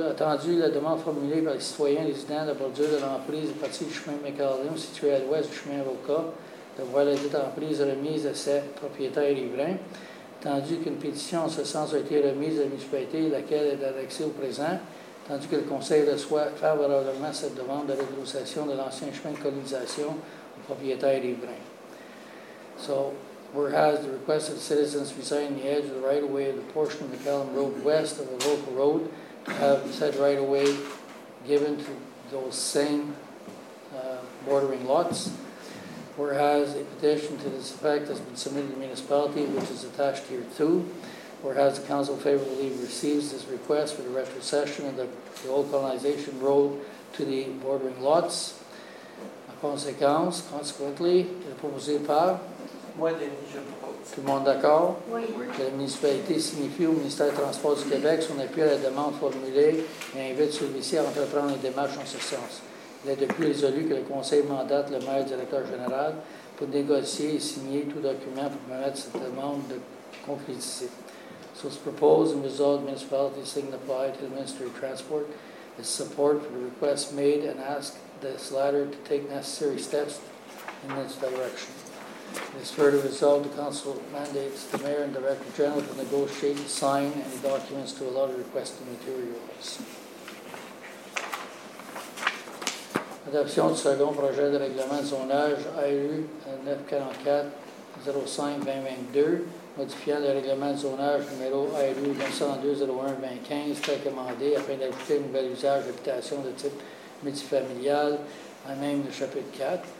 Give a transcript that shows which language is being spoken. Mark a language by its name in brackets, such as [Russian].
[French] Attendu la demande formulée par les citoyens résidents de la bordure de l'emprise de partie du chemin McAllen, situé à l'ouest du chemin Avocat, de voir la dite emprise remise à ses propriétaires riverains. Tandis qu'une pétition en ce sens a été remise à la municipalité, laquelle est adressée au présent, tandis que le conseil reçoit favorablement cette demande de rétrocession de l'ancien chemin de colonisation aux propriétaires riverains. [English] So, whereas the request of citizens residing on the edge of the right-of-way of the portion of McAllen Road west of a local road to have said right-of-way given to those same bordering lots. Whereas a petition to this effect has been submitted to the municipality, which is attached here too. Whereas the council favorably receives this request for the retrocession of the old colonization road to the bordering lots. Consequently, the [French] proposé par. Moi, tout le monde d'accord? Oui. Que la municipalité signifie au ministère des Transports du Québec son appui à la demande formulée et invite celui-ci à entreprendre les démarches en ce sens. Il est de plus résolu que le conseil mandate le maire directeur général pour négocier et signer tout document pour permettre cette demande de concrétiser. [English] So it's proposed and resolved municipality signify to the Ministry of Transport its support for the request made and ask this latter to take necessary steps in this direction. It is further resolved the council mandates the mayor and director general to negotiate, sign any documents to allow the requested materials. [French] Adoption du second projet de règlement de zonage ARU 944-05-2022, modifiant le règlement de zonage numéro ARU 902-01-2015, tel commandé afin d'ajouter un nouvel usage d'habitation de type multifamilial, à même le chapitre 4.